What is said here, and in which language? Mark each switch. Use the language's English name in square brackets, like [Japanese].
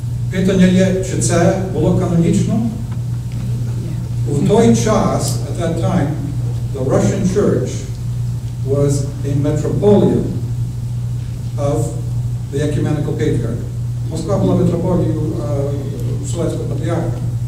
[Ukrainian] Питання є, чи це було канонічно? В той час, [English] at that time, the Russian Church was a metropolitan of the ecumenical patriarch. [Ukrainian] Москва була метрополією Вселенського патріарха.